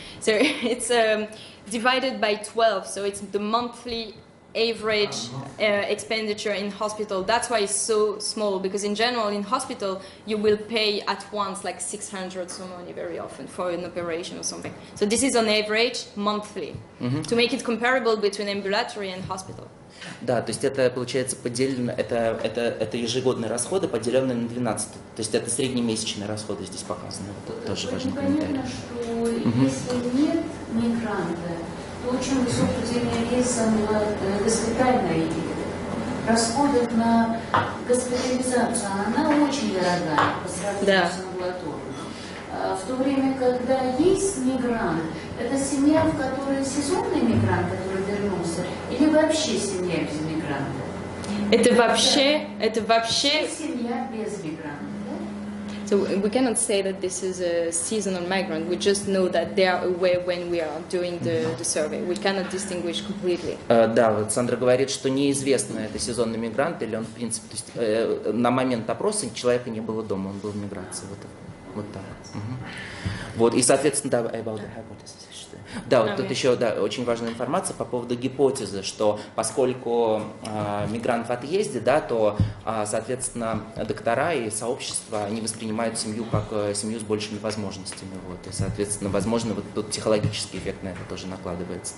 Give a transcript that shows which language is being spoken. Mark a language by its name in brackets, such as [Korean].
[English] So it's… divided by 12, so it's the monthly average expenditure in hospital. That's why it's so small, because in general in hospital you will pay at once like 600 some money very often for an operation or something. So this is on average monthly to make it comparable between ambulatory and hospital. [Russian] Да, то есть это получается поделено, это ежегодные расходы, поделенные на 12. То есть это среднемесячные расходы здесь показаны. Это тоже важный комментарий. Понятно, что если нет мигранта, то очень высокий удельный рез на госпитальной расходы на госпитализацию, она очень дорогая по сравнению с амбулаторной. В то время, когда есть мигрант, это семья, в которой сезонный мигрант, который вернулся, или вообще семья без мигранта? Это вообще семья без мигранта. [English] So we cannot say that this is a seasonal migrant. We just know that they are away when we are doing the survey. We cannot distinguish completely. [Russian] Да, вот Сандра говорит, что неизвестно, это сезонный мигрант или он, в принципе, то есть на момент опроса человека не было дома, он был в миграции. Вот так. Вот, и, соответственно, да, [English] about the hypothesis. [Russian] Да, вот тут еще, да, очень важная информация по поводу гипотезы, что поскольку мигрант в отъезде, да, то, соответственно, доктора и сообщество, они воспринимают семью как семью с большими возможностями, вот, и, соответственно, возможно, вот тут психологический эффект на это тоже накладывается.